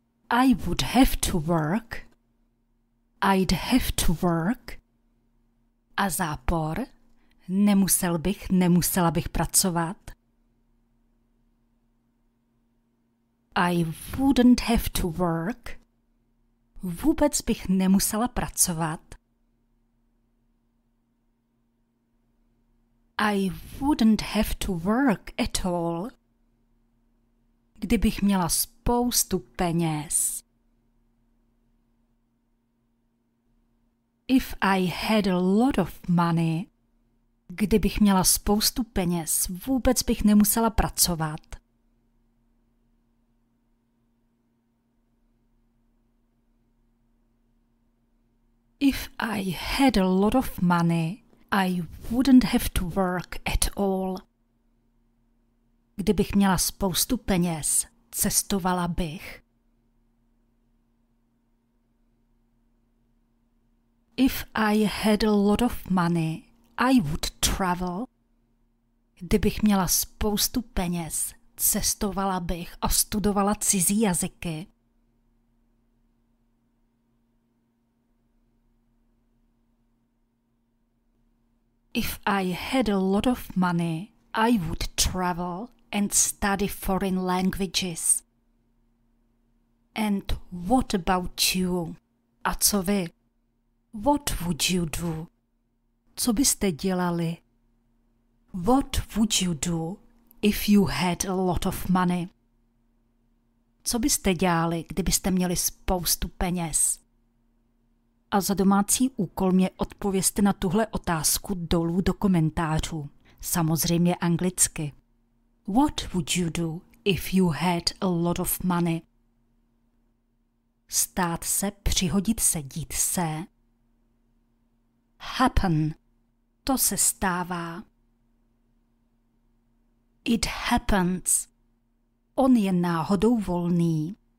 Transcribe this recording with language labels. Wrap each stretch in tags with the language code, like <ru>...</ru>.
<en>I would have to work. I'd have to work.</en> <cs>A zápor. Nemusel bych, nemusela bych pracovat.</cs> <en>I wouldn't have to work.</en> <cs>Vůbec bych nemusela pracovat.</cs> <en>I wouldn't have to work at all.</en> <cs>Kdybych měla spoustu peněz.</cs> <en>If I had a lot of money.</en> <cs>Kdybych měla spoustu peněz, vůbec bych nemusela pracovat.</cs> <en>If I had a lot of money, I wouldn't have to work at all.</en> <cs>Kdybych měla spoustu peněz, cestovala bych.</cs> <en>If I had a lot of money, I would travel.</en> <cs>Kdybych měla spoustu peněz, cestovala bych a studovala cizí jazyky.</cs> <en>If I had a lot of money, I would travel and study foreign languages. And what about you?</en> <cs>A co vy?</cs> <en>What would you do?</en> <cs>Co byste dělali?</cs> <en>What would you do if you had a lot of money?</en> <cs>Co byste dělali, kdybyste měli spoustu peněz? A za domácí úkol mě odpovězte na tuhle otázku dolů do komentářů. Samozřejmě anglicky.</cs> <en>What would you do if you had a lot of money?</en> <cs>Stát se, přihodit se, dít se. Happen. To se stává.</cs> <en>It happens.</en> <cs>On je náhodou volný.</cs>